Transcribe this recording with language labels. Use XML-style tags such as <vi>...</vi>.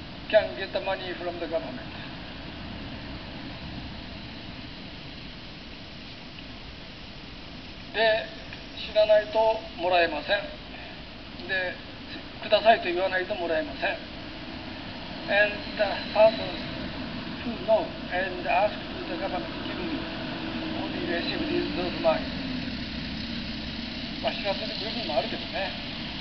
<en>Can get the money from the government.</en> <ja>で、知らないともらえません。で、くださいと言わないともらえません。</ja> <en>And the person who knows and asks the government to give me only receive these those money.</en> <ja>まあ知らせてくれるのもあるけどね。</ja>